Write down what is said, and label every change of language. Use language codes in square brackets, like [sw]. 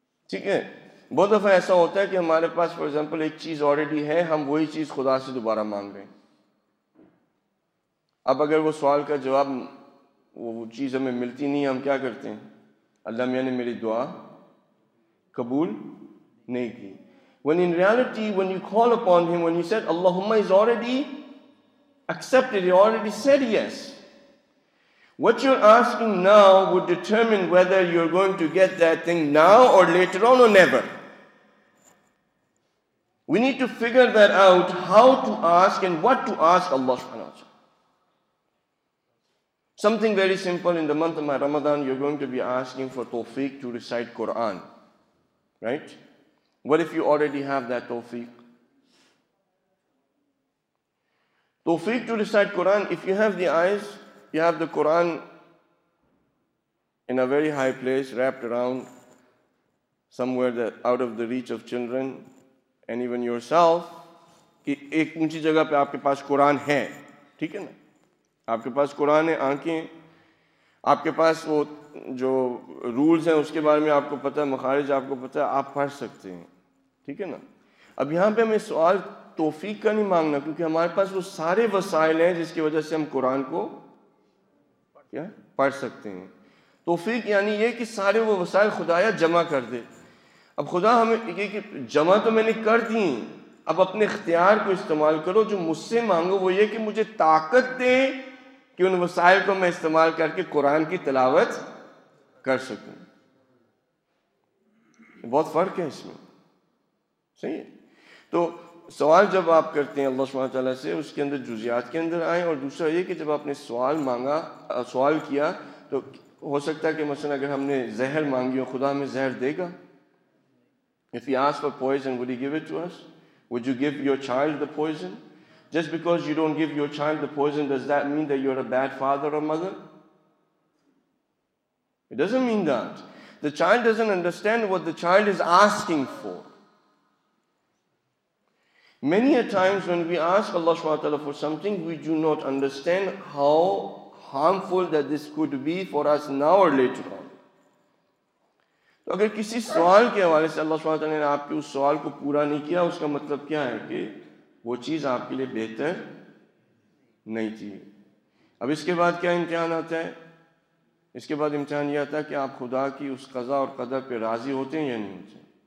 [ur] ٹھیک ہے, بہت دفعہ ایسا ہوتا ہے کہ ہمارے پاس فار ایگزامپل ایک چیز آلریڈی ہے, ہم وہی چیز خدا سے دوبارہ مانگ رہے ہیں. اب اگر وہ سوال کا جواب وہ چیز ہمیں ملتی نہیں, ہم کیا کرتے ہیں, اللہ میاں نے میری دعا قبول نہیں کی. [en] When in reality, when you call upon him, when you said Allahumma is already accepted, he already said yes. What you're asking now would determine whether you're going to get that thing now or later on or never. We need to figure that out, how to ask and what to ask Allah subhanahu wa ta'ala. Something very simple, in the month of Ramadan, you're going to be asking for tawfiq to recite Quran, right? What if you already have that tawfiq? Tawfiq to recite Quran, if you have the eyes, you have the Quran in a very high place, wrapped around somewhere that out of the reach of children and even yourself, [ur] ki ek unchi jagah pe aapke paas Quran hai, theek hai na? آپ کے پاس قرآن ہے, آنکھیں آپ کے پاس, وہ جو rules ہیں اس کے بارے میں آپ کو پتہ ہے, مخارج آپ کو پتہ ہے, آپ پڑھ سکتے ہیں. ٹھیک ہے نا, اب یہاں پہ ہمیں سوال توفیق کا نہیں مانگنا, کیونکہ ہمارے پاس وہ سارے وسائل ہیں جس کی وجہ سے ہم قرآن کو کیا پڑھ سکتے ہیں. توفیق یعنی یہ کہ سارے وہ وسائل خدایا جمع کر دے. اب خدا ہمیں یہ کہ جمع تو میں نے کر دی, اب اپنے اختیار کو استعمال کرو, جو مجھ سے مانگو وہ یہ کہ مجھے طاقت دے کہ ان وسائل کو میں استعمال کر کے قرآن کی تلاوت کر سکوں. بہت فرق ہے اس میں, صحیح ہے. تو سوال جب آپ کرتے ہیں اللہ سبحانہ وتعالیٰ سے, اس کے اندر جزیات کے اندر آئیں, اور دوسرا یہ کہ جب آپ نے سوال مانگا, سوال کیا, تو ہو سکتا ہے کہ مثلا اگر ہم نے زہر مانگی ہو, خدا ہمیں زہر دے گا؟ [en] If he asked for poison, would he give it to us? Would you give your child the poison? Just because you don't give your child the poison, does that mean that you're a bad father or mother? It doesn't mean that. The child doesn't understand what the child is asking for. Many a times when we ask Allah subhanahu wa ta'ala for something, we do not understand how harmful that this could be for us now or later on. [ur] تو اگر کسی سوال کے حوالے سے اللہ سبحانہ وتعالیٰ نے آپ کے اس سوال کو پورا نہیں کیا, اس کا مطلب کیا ہے کہ وہ چیز آپ کے لیے بہتر نہیں تھی. اب اس کے بعد کیا امتحان آتا ہے؟ اس کے بعد امتحان یہ آتا ہے کہ آپ خدا کی اس قضا اور قدر پہ راضی ہوتے ہیں یا نہیں ہوتے ہیں.